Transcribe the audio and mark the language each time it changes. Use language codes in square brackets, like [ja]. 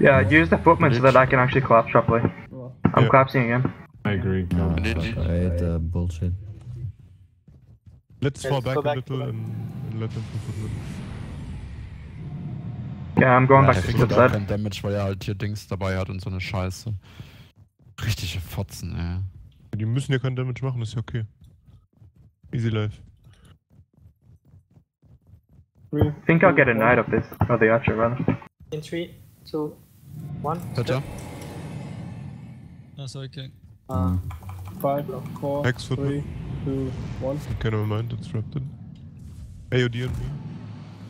[en] Yeah, use the footman so that I can actually collapse properly. I'm collapsing again. I agree. I hate bullshit. Let's fall back a little and let them put footman. Yeah, I'm going back to the side. [de] Kein Damage, weil er halt hier Dings dabei hat und so eine Scheiße. Richtige Fotzen, ey. Die müssen ja kein Damage machen, ist ja okay. [en] Easy life. I think I'll get a knight of this, or the archer rather. In 3, 2, 1. Better. Ah, sorry, King. 5, 4, 3, 2, 1. Okay, never mind, it's wrapped in. AOD on me.